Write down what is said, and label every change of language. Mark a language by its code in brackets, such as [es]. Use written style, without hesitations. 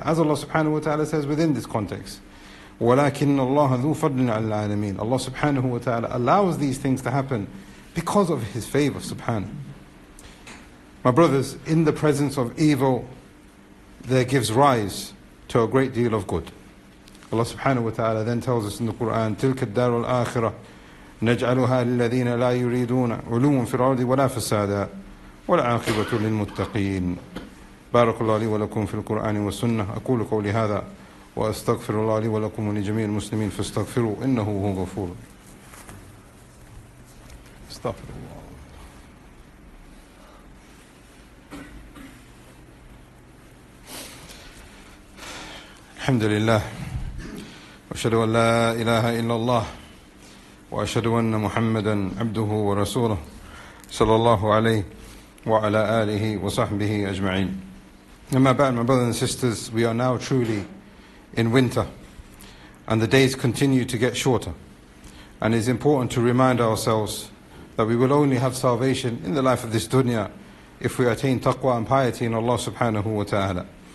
[en] As Allah subhanahu wa ta'ala says within this context, [ar] وَلَكِنَّ اللَّهَ ذُو فَضْلٍ عَلَى الْعَالَمِينَ. [en] Allah subhanahu wa ta'ala allows these things to happen because of His favor, subhanahu. My brothers, in the presence of evil, there gives rise to a great deal of good. Allah subhanahu wa ta'ala then tells us in the Qur'an, [ar] تِلْكَ الدَّارُ الْآخِرَةِ نَجْعَلُهَا لِلَّذِينَ لَا يُرِيدُونَ عُلُومٌ فِي الْأَرْضِ وَلَا فَسَادًا وَالْعَاقِبَةُ لِلْمُتَّقِينَ. بارك الله لي ولكم في القرآن والسنة. أقول قولي هذا وأستغفر الله لي ولكم ولجميع المسلمين فاستغفروا إنه هو غفور. استغفر الله. الحمد لله وأشهد أن لا إله إلا الله وأشهد أن محمدا عبده ورسوله صلى الله عليه وعلى آله وصحبه أجمعين. أما بعد, [en] my brothers and sisters, we are now truly in winter and the days continue to get shorter, and it's important to remind ourselves that we will only have salvation in the life of this dunya if we attain taqwa and piety in Allah subhanahu wa ta'ala.